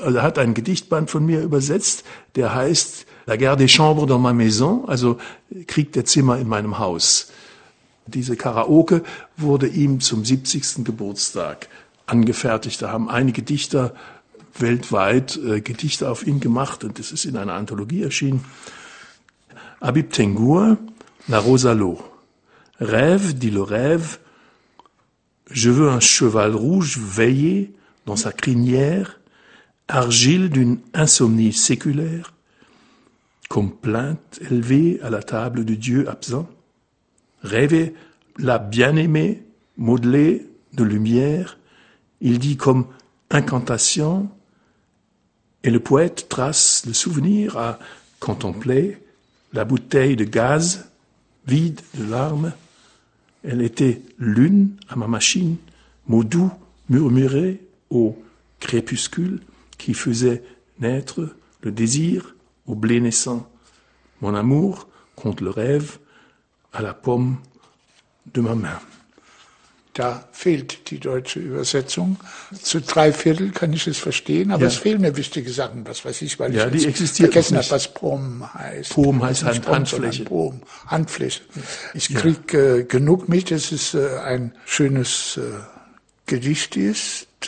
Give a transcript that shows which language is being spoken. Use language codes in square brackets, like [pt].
[de] Also er hat einen Gedichtband von mir übersetzt, der heißt La guerre des chambres dans ma maison, also Krieg der Zimmer in meinem Haus. Diese Karaoke wurde ihm zum 70. Geburtstag angefertigt. Da haben einige Dichter weltweit Gedichte auf ihn gemacht und das ist in einer Anthologie erschienen. Habib Tengur, La Rosa Lo. [fr] Rêve, dit le rêve, je veux un cheval rouge veillé dans sa crinière, argile d'une insomnie séculaire, comme plainte élevée à la table de Dieu absent. Rêvez la bien-aimée, modelée de lumière, il dit comme incantation, et le poète trace le souvenir à contempler la bouteille de gaz vide de larmes. Elle était lune à ma machine, mot doux murmuré au crépuscule qui faisait naître le désir au blé naissant, mon amour contre le rêve, à la pomme de ma main. [de] Da fehlt die deutsche Übersetzung. Zu drei Viertel kann ich es verstehen, aber ja, es fehlen mir wichtige Sachen. Was weiß ich, weil ja, ich jetzt vergessen habe, was POM heißt. POM heißt Hand, POM, Handfläche. POM, Handfläche. Ich ja, kriege genug mit, dass es ein schönes Gedicht ist.